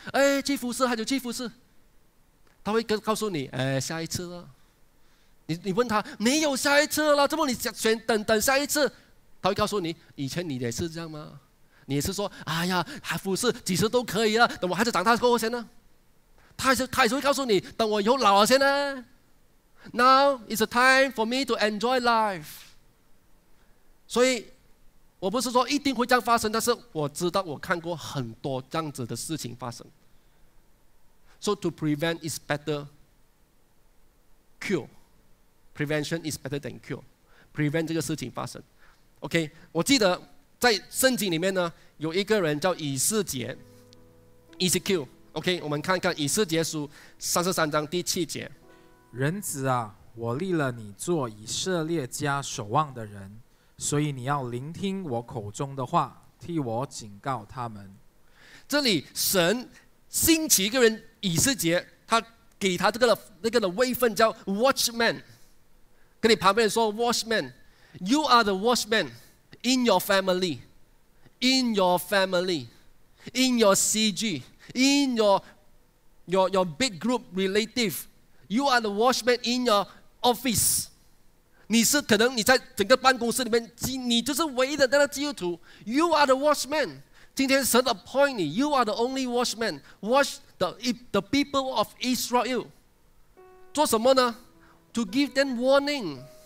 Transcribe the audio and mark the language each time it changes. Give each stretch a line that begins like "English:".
Chinese: 哎，去服侍他就去服侍，他会告诉你哎，下一次了。你问他没有下一次了，怎么你选等下一次，他会告诉你，以前你也是这样吗？你也是说，哎呀，还服侍几时都可以啊，等我孩子长大过后先呢、啊。他也是会告诉你，等我以后老了先呢、啊。
English: Now is the time for me to enjoy life。
Chinese: 所以，我不是说一定会这样发生，但是我知道我看过很多这样子的事情发生。
English: So to prevent is better cure， prevention is better than cure， prevent
Chinese: 这个事情发生。 OK， 我记得在圣经里面呢，有一个人叫以斯帖 ，Ezekiel。 OK， 我们看看以斯帖书三十三章第七节。人子啊，我立了你做以色列家守望的人，所以你要聆听我口中的话，替我警告他们。这里神兴起一个人以斯帖，他给他这个的那个的位分叫 Watchman， 跟你旁边说 Watchman。
English: You are the watchman in your family, in your family, in your CG, in your big group relative. You are the watchman in your office.
Chinese: 你是可能你在整个办公室里面，你就是唯一的那个基督徒。
English: You are the watchman.
Chinese: 今天神
English: appoint
Chinese: 你
English: ，You are the only watchman. Watch the people of Israel.
Chinese: 做什么呢
English: ？To give them warning.